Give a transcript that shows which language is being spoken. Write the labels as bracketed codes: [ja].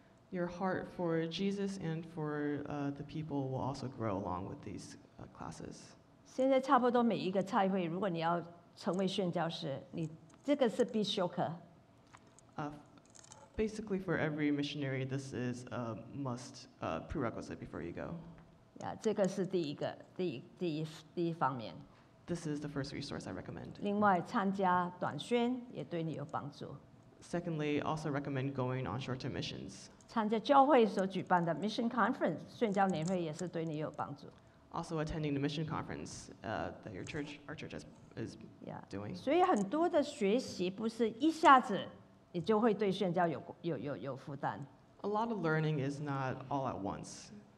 [en] Your heart for Jesus and for the people will also grow along with these classes. [zh] 现在差不多每一个差会，如果你要成为宣教士，你这个是必修课。 [en] Basically, for every missionary, this is a must prerequisite before you go. [zh] Yeah, 这个是第一个，第一方面。 [en] This is the first resource I recommend. [zh] 另外，参加短宣也对你有帮助。 [en] Secondly, also recommend going on short-term missions. [zh] 参加教会所举办的 mission conference 宣教年会也是对你有帮助。Also [en] attending the mission conference that your church, our church is doing. [zh] 所以很多的学习不是一下子你就会对宣教有负担。A [en] lot of learning is not all at once.